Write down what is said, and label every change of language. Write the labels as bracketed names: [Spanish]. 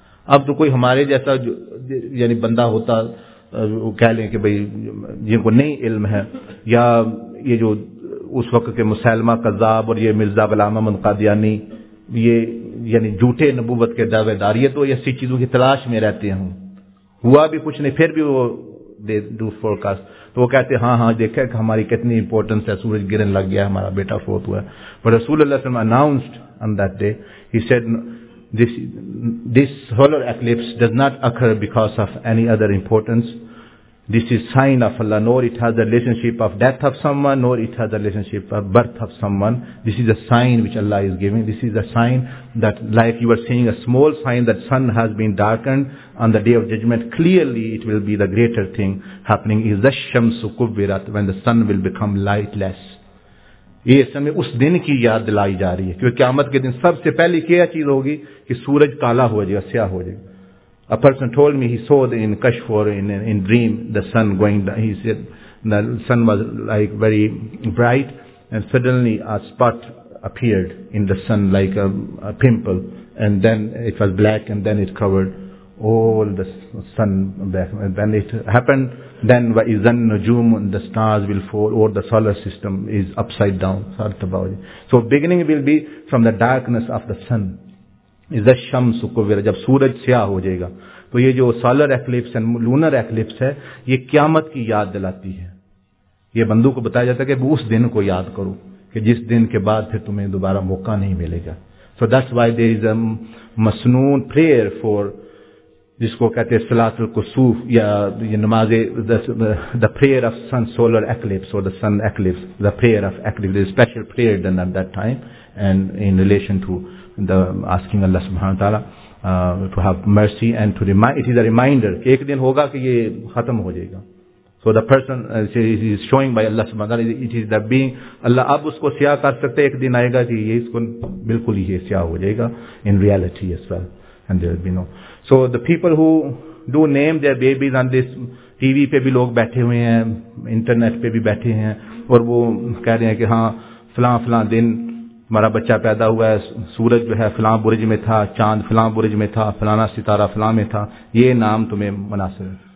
[Urdu] اب تو کوئی ہمارے جیسا یعنی بندہ ہوتا کہہ لیں کہ بھائی جن کو نہیں علم ہے, یا یہ جو اس وقت کے مسلمہ قذاب اور یہ مرزا غلام احمد قادیانی, یہ یعنی جھوٹے نبوت کے دعوے دار, یہ تو ایسی چیزوں کی تلاش میں رہتے ہوں, ہوا بھی کچھ نہیں پھر بھی وہ [English] they do forecast, [Urdu] تو وہ کہتے ہیں ہاں ہاں دیکھے کہ ہماری کتنی امپورٹنس ہے, سورج گرن لگ گیا ہمارا بیٹا فوت ہوا. [English] بٹ رسول اللہ صلی اللہ علیہ وسلم announced on that day, he said This solar eclipse does not occur because of any other importance. This is sign of Allah, nor it has the relationship of death of someone, nor it has the relationship of birth of someone. This is a sign which Allah is giving. This is a sign that, like you are seeing a small sign that sun has been darkened on the day of judgment, clearly it will be the greater thing happening. Is the shamsu kubbirat, when the sun will become lightless. [Urdu] یہ اس میں اس دن کی یاد دلائی جا رہی ہے, کیونکہ قیامت کے دن سب سے پہلی کیا چیز ہوگی کہ سورج کالا ہو جائے گا, سیاہ ہو جائے گا. [English] A person told me he saw in Kashf or in dream the sun going down. He said the sun was like very bright and suddenly a spot appeared in the sun like a pimple, and then it was black and then it covered all the sun back. And when it happened, then [Arabic] وَإِذَنْ نُجُومُ [English] the stars will fall, or the solar system is upside down. So beginning will be from the darkness of the sun. [Arabic] اِذَا الشَّمْسُ كُوِّرَ [Urdu] جب سورج سیاہ ہو جائے گا. تو یہ جو [English] solar eclipse and lunar eclipse [Urdu] ہے یہ قیامت کی یاد دلاتی ہے. یہ بندوں کو بتایا جاتا ہے کہ اس دن کو یاد کرو کہ جس دن کے بعد پھر تمہیں دوبارہ موقع نہیں ملے گا. [English] So that's why there is a masnoon prayer for [Urdu] جس کو کہتے ہیں صلاۃ الکسوف یا نماز [English] the prayer of sun solar eclipse or the sun eclipse, the prayer of eclipse, there is a special prayer done at that time and in relation to the asking Allah subhanahu wa ta'ala to have mercy and to remind, it is a reminder [Urdu] کہ ایک دن ہوگا کہ یہ ختم ہو جائے گا. [English] So the person is showing by Allah subhanahu wa ta'ala, it is the being Allah, [Urdu] اب اس کو سیاہ کر سکتے, ایک دن آئے گا کہ یہ اس کو بالکل یہ سیاہ ہو جائے گا [English] in reality as well. And there will be no. So the people who do name their babies on this [Urdu] TV پہ بھی لوگ بیٹھے ہوئے ہیں, انٹرنیٹ پہ بھی بیٹھے ہیں, اور وہ کہہ رہے ہیں کہ ہاں فلاں فلاں دن ہمارا بچہ پیدا ہوا ہے, سورج جو ہے فلاں برج میں تھا, چاند فلاں برج میں تھا, فلانا ستارہ فلاں میں تھا, یہ نام تمہیں مناسب ہے.